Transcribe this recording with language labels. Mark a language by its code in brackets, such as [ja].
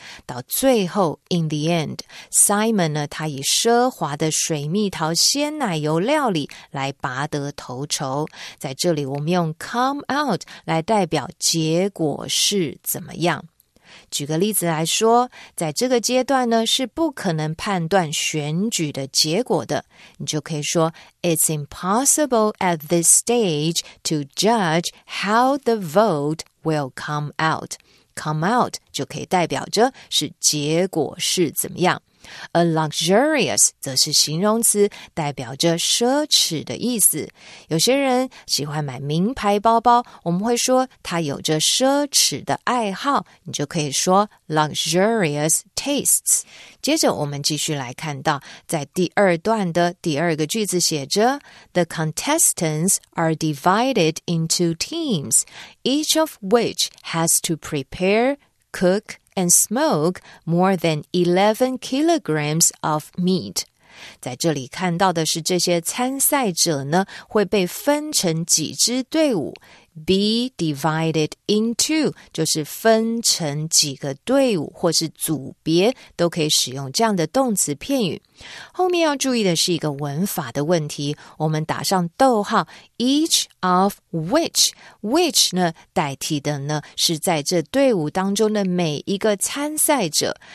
[zh] 到最后 , [en] in the end, [zh] Simon 呢他以奢华的水蜜桃鲜奶油料理来拔得头筹。在这里我们用 [en] come out [zh] 来代表结果是怎么样。举个例子来说，在这个阶段呢是不可能判断选举的结果的。你就可以说 [en] It's impossible at this stage to judge how the vote will come out. Come out [zh] 就可以代表着是结果是怎么样。 [en] A luxurious [zh] 则是形容词，代表着奢侈的意思。有些人喜欢买名牌包包，我们会说他有着奢侈的爱好，你就可以说 [en] luxurious tastes。 [zh] 接着我们继续来看到，在第二段的第二个句子写着 [en] The contestants are divided into teams, each of which has to prepare, cookand smoke more than 11 kilograms of meat. [zh] 在这里看到的是这些参赛者呢会被分成几支队伍。 [en] Be divided into [zh] 就是分成几个队伍或是组别都可以使用这样的动词片语。后面要注意的是一个文法的问题，我们打上逗号 [en] each of which [zh] 呢代替的呢是在这队伍当中的每一个参赛者。